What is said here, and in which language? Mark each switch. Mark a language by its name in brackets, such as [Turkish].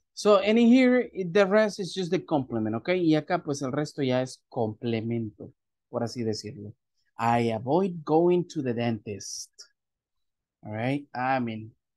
[English] So, and in here, the rest is just the complement, okay? [Spanish] Y acá, pues, el resto ya es complemento, por así decirlo. [English] I avoid going to the dentist. All right? I mean,